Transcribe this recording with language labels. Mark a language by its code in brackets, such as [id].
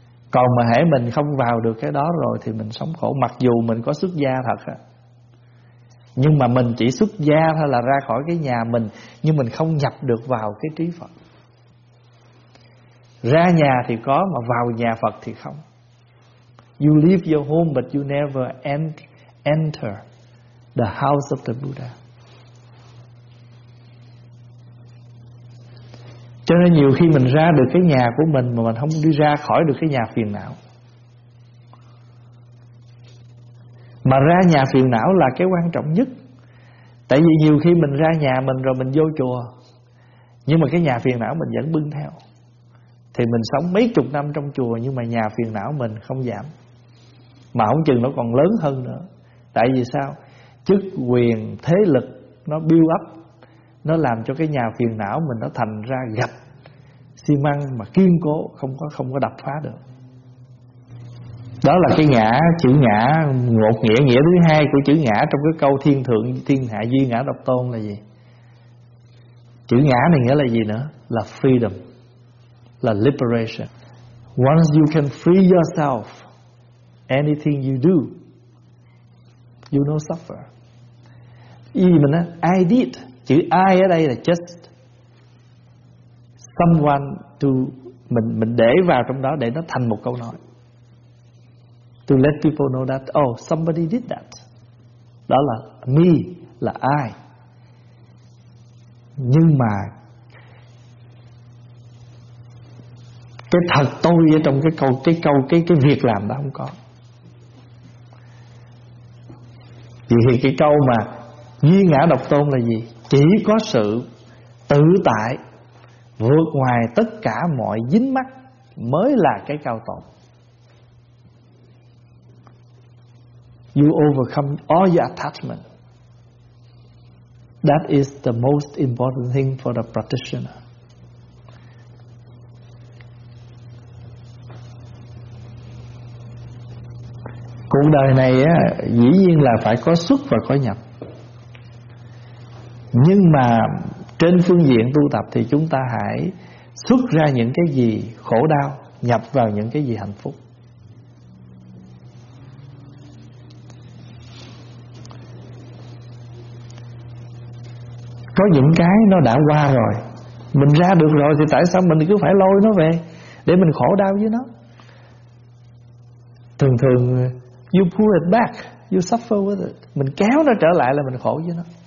[vi] Còn mà hãy mình không vào được cái đó rồi thì mình sống khổ, mặc dù mình có xuất gia thật á. Nhưng mà mình chỉ xuất gia thôi là ra khỏi cái nhà mình, nhưng mình không nhập được vào cái trí Phật. Ra nhà thì có, mà vào nhà Phật thì không. [en] You leave your home but you never enter the house of the Buddha. [vi] Cho nên nhiều khi mình ra được cái nhà của mình mà mình không đi ra khỏi được cái nhà phiền não. Mà ra nhà phiền não là cái quan trọng nhất. Tại vì nhiều khi mình ra nhà mình rồi mình vô chùa, nhưng mà cái nhà phiền não mình vẫn bưng theo. Thì mình sống mấy chục năm trong chùa nhưng mà nhà phiền não mình không giảm, mà không chừng nó còn lớn hơn nữa. Tại vì sao? Chức quyền, thế lực nó build up, nó làm cho cái nhà phiền não mình nó thành ra gạch xi măng mà kiên cố, không có đập phá được. Đó là cái ngã, chữ ngã một nghĩa, nghĩa thứ hai của chữ ngã trong cái câu thiên thượng thiên hạ duy ngã độc tôn là gì? Chữ ngã này nghĩa là gì nữa? Là freedom, là liberation. [en] Once you can free yourself, anything you do You no suffer. [vi] Ý mình á, [en] I did. [vi] Chữ I ở đây là [en] just someone to, [vi] mình để vào trong đó để nó thành một câu nói. [en] To let people know that, oh, somebody did that. [vi] Đó là me, là I. Nhưng mà cái thật tôi ở trong cái việc làm đó không có. Vì thì cái câu mà duy ngã độc tôn là gì? Chỉ có sự tự tại vượt ngoài tất cả mọi dính mắc mới là cái cao tôn. [en] You overcome all your attachment. That is the most important thing for the practitioner. [vi] Cuộc đời này á, dĩ nhiên là phải có xuất và có nhập. Nhưng mà trên phương diện tu tập thì chúng ta hãy xuất ra những cái gì khổ đau, nhập vào những cái gì hạnh phúc. Có những cái nó đã qua rồi, mình ra được rồi thì tại sao mình cứ phải lôi nó về để mình khổ đau với nó? Thường thường [en] you pull it back, you suffer with it. [vi] Mình kéo nó trở lại là mình khổ với nó.